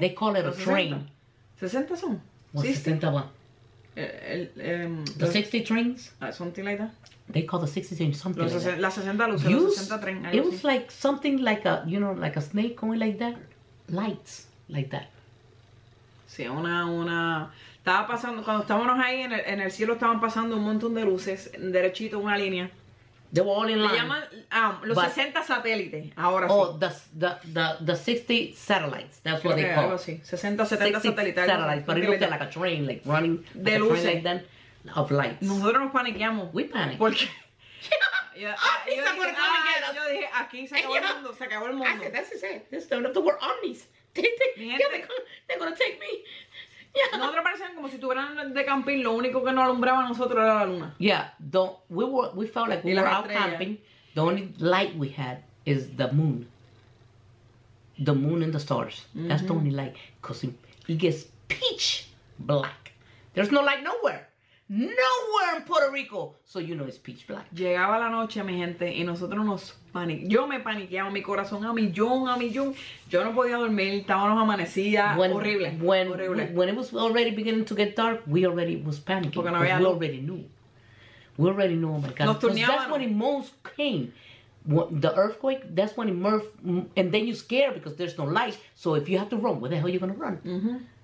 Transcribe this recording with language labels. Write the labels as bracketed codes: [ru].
[en] They call it a train. [es] 60 son? [en] 61. The 60 trains? Something like that. They call the 60 train something [es] los [en] like [es] la 60 luz, [en] you, 60 train, it see? Was like something like a, you know, like a snake going like that. Lights, like that. [es] Sí, una... Estaba pasando, cuando estábamos ahí en el cielo, estaban pasando un montón de luces, derechito, una línea. [en] They were all in line. [es] Le llaman los 60 satélites, ahora [en] oh, [es] sí. [en] Oh, the 60 satellites, that's [es] creo [en] what they call. [es] Algo así. 60, 70 satélites. [en] 60 satellites, but it looked like a train, like running. [es] De [en] like [es] luces. [en] Like that. Of lights. [es] Nosotros nos paniqueamos. [en] We panic. [es] ¿Por qué? Aquí se acabó el mundo. Yo dije, aquí se acabó el mundo. Se acabó el mundo. [en] I said, that's it. That's the end of the world. Omnis. They're gonna take me. Yeah. [es] Nosotros parecían como si estuvieran de camping. Lo único que nos alumbraba a nosotros era la luna. [en] Yeah. We felt like we were out camping. The only light we had is the moon. The moon and the stars. Mm-hmm. That's the only light. Because it gets pitch black. There's no light nowhere. Nowhere in Puerto Rico, so you know it's pitch black. [es] Llegaba la noche, mi gente, y nosotros nos paniqueamos. Yo me paniqueaba, mi corazón a millón. Yo no podía dormir, estábamos amanecidas, horrible. [en] When it was already beginning to get dark, we already was panicking. [es] Porque no había luz. [en] We already knew, oh my God. [es] Nos turneaban. [en] That's when it most came. The earthquake, that's when it murphed, and then you're scared because there's no light. So if you have to run, where the hell are you going to run? Mm-hmm.